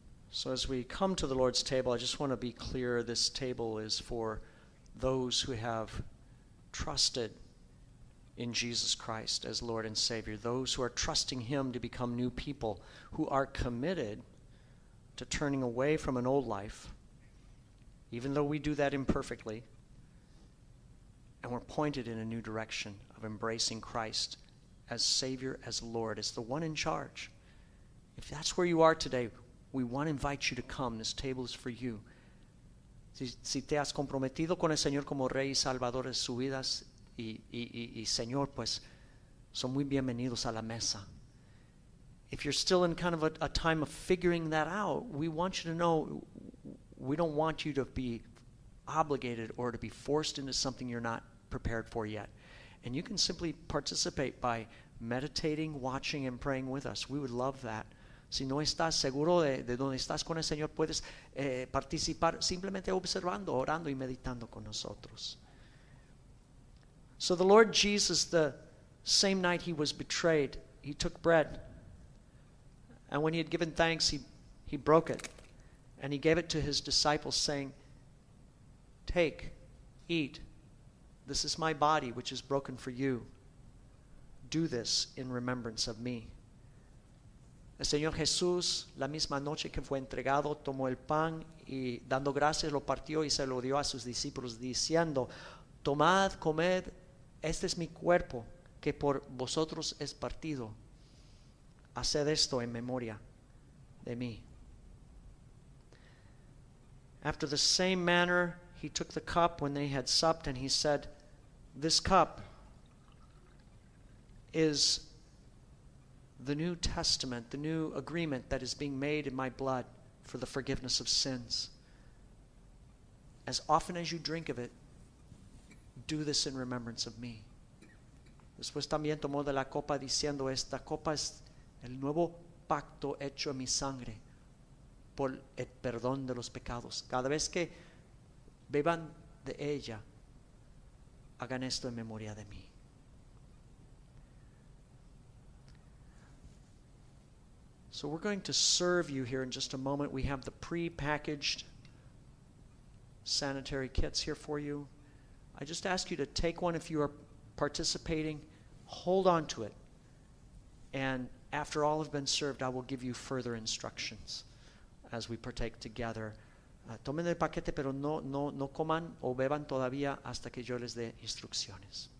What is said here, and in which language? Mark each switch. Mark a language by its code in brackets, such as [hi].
[en] So as we come to the Lord's table, I just want to be clear, this table is for those who have trusted in Jesus Christ as Lord and Savior, those who are trusting him to become new people, who are committed to turning away from an old life, even though we do that imperfectly, and we're pointed in a new direction of embracing Christ as Savior, as Lord, as the one in charge. If that's where you are today, we want to invite you to come. This table is for you. [es] Si te has comprometido con el Señor como Rey y Salvador de su vida, y Señor, pues, son muy bienvenidos a la mesa. [en] If you're still in kind of a time of figuring that out, we want you to know we don't want you to be obligated or to be forced into something you're not prepared for yet. And you can simply participate by meditating, watching, and praying with us. We would love that. [es] Si no estás seguro de dónde estás con el Señor, puedes participar simplemente observando, orando y meditando con nosotros. [en] So the Lord Jesus, the same night he was betrayed, he took bread. And when he had given thanks, he broke it. And he gave it to his disciples saying, "Take, eat. This is my body which is broken for you. Do this in remembrance of me." [es] El Señor Jesús, la misma noche que fue entregado, tomó el pan y dando gracias lo partió y se lo dio a sus discípulos diciendo, "Tomad, comed, este es mi cuerpo que por vosotros es partido. Haced esto en memoria de mí." [en] After the same manner, he took the cup when they had supped and he said, "This cup is the new testament, the new agreement that is being made in my blood for the forgiveness of sins. As often as you drink of it, do this in remembrance of me." [es] Después también tomó de la copa diciendo, "Esta copa es el nuevo pacto hecho en mi sangre por el perdón de los pecados. Cada vez que beban de ella, hagan esto en memoria de mí." [en] So we're going to serve you here in just a moment. We have the pre-packaged sanitary kits here for you. I just ask you to take one if you are participating. Hold on to it. And after all have been served, I will give you further instructions as we partake together. [es] Tomen el paquete, pero no coman o beban todavía hasta que yo les dé instrucciones.